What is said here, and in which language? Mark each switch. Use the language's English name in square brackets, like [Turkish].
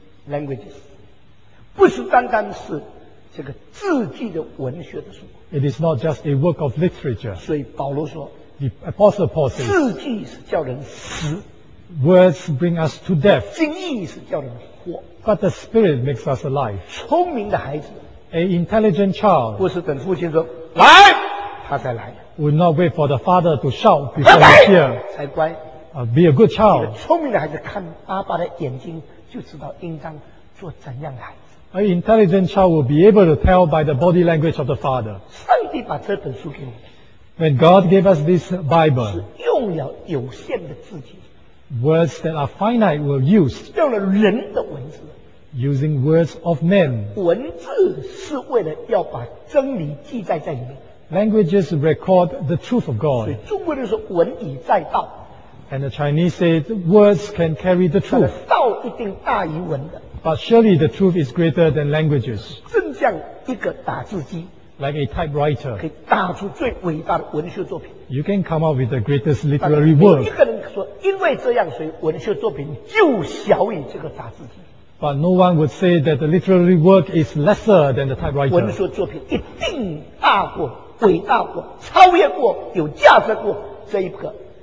[English] Languages. [Chinese] 不是单单是这个字迹的文学的书。 [English] It is not just a work of literature. [Chinese] 所以保罗说 [English] ，The Apostle Paul says, [Chinese] 字迹是叫人死。 [English] Words bring us to death. [Chinese] 经义是叫人活。 [English] But the Spirit makes us alive. [Chinese] 聪明的孩子 [English] ，A intelligent child. [Chinese] 不是等父亲说来，他才来。 [English] Would not wait for the father to shout before he hear. [Chinese] 才乖。 [English] Be a good child. [Chinese] 聪明的孩子看阿爸的眼睛。就知道应当做怎样的孩子。 [English] An intelligent child will be able to tell by the body language of the father. [Chinese] 上帝把这本书给我们。 [English] When God gave us this Bible, [Chinese] 是用了有限的字句。 [English] Words that are finite were used. [Chinese] 用了人的文字。 [English] Using words of men. [Chinese] 文字是为了要把真理记载在里面。 [English] Languages record the truth of God. [Chinese] 所以中国人说文以载道。 [English] And the Chinese say words can carry the truth. [Chinese] 道一定大于文的。 [English] But surely the truth is greater than languages. [Chinese] 正像一个打字机。 [English] Like a typewriter. [Chinese] 可以打出最伟大的文学作品。 [English] You can come up with the greatest literary work. [Chinese] 一个人说因为这样所以文学作品就小于这个打字机。 [English] But no one would say that the literary work is lesser than the typewriter. [Chinese] 文学作品一定大过伟大过超越过有价值过这一个。